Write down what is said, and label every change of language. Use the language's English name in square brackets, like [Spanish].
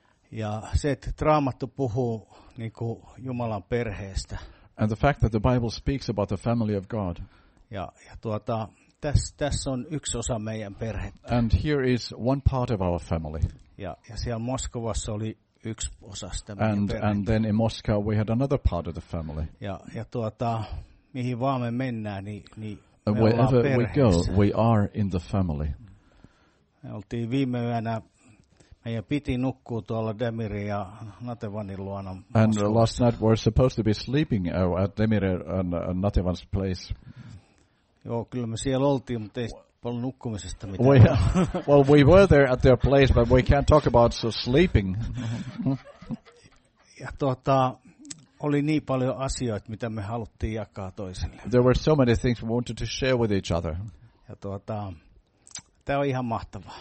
[Finnish] Ja se, että Raamattu puhuu niinku Jumalan perheestä. [English] And the fact that the Bible speaks about the family of God. [Finnish] Ja tässä on yksi osa meidän perhettä. [English] And here is one part of our family. [Finnish] Ja siellä Moskovassa oli yksi osa sitä meidän perhettä. [English] And then in Moscow we had another part of the family. [Finnish] Ja mihin vaan me mennään, niin me [English] wherever we go, we are in the family. [Finnish] Me oltiin viime yönä. Meidän piti nukkua tuolla Demirin ja Natevanin luona. [English] And last night we were supposed to be sleeping at Demir and Natevan's place. [Finnish] Joo, kyllä me siellä oltiin, mutta ei paljon nukkumisesta mitään. [English] Well, we were there at their place, but we can't talk about sleeping. [Finnish] ja oli niin paljon asioita, mitä me haluttiin jakaa toisille. [English] There were so many things we wanted to share with each other. [Finnish] Ja tämä on ihan mahtavaa.